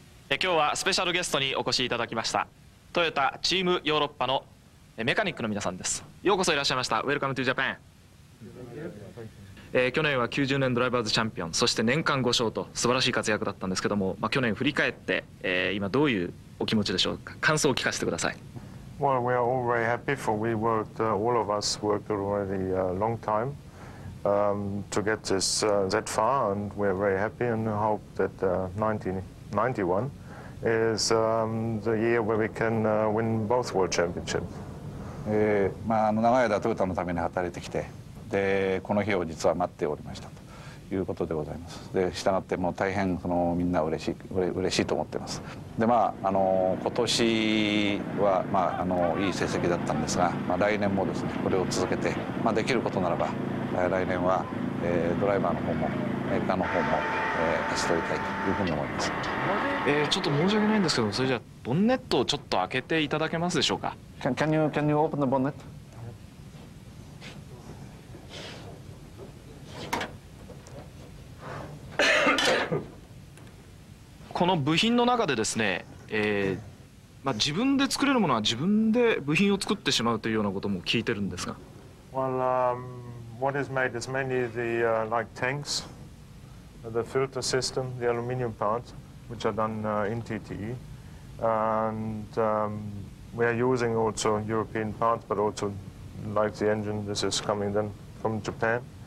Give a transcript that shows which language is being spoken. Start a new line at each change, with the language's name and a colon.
Japanese: 今日はスペシャルゲストにお越しいただきました、トヨタチームヨーロッパのメカニックの皆さんです。ようこそいらっしゃいました。
English: ウェルカムトゥジャパン。
Japanese: 去年は90年ドライバーズチャンピオン、そして年間5勝と素晴らしい活躍だったんですけども、去年振り返って、今どういうお気持ちでしょうか。感想を聞かせてください。
English: Well, we are all very happy for we worked, all of us worked already a long time、to get this, that far, and we are very happy and hope that 1991 is the year where we can win both world championships.
Japanese: トヨタのために働いてきて、でこの日を実は待っておりましたということでございます。で従ってもう大変そのみんな嬉しいと思ってます。で今年はいい成績だったんですが、来年もですねこれを続けて、できることならば来年は、ドライバーの方もメーカーの方も、勝ち取りたいというふうに思います。ちょっと申し訳ないんですけど、それじゃあボンネットをちょっと開けていただけますでしょうか。
English: Can you open the bonnet?
Japanese: この部品の中でですね、自分で作れるものは自分で部品を作ってしまうというようなことも聞いてるんですが。
English: Well, what is made is mainly the like tanks, the filter system, the aluminium parts, which are done in TTE, and we are using also European parts, but also like the engine, this is coming then from Japan.